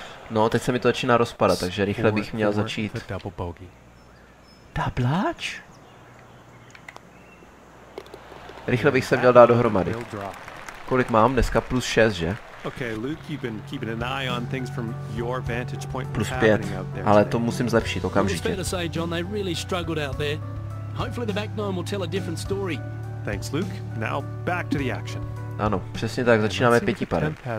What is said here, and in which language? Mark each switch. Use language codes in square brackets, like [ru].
[cs] No, teď se mi to začíná rozpadat, takže rychle bych měl začít. Dabláč? Rychle bych se měl dát dohromady. Kolik mám? Dneska plus 6, že? [en] Okay, Luke, you've been keeping an eye on things from your vantage point. [cs] Plus 5, ale to musím zlepšit okamžitě. [en] It's fair to say, John, they really struggled out there. Hopefully the back nine will tell a different story. Thanks, Luke. Now back to the action. [cs] Ano, přesně tak, začínáme pěti pary.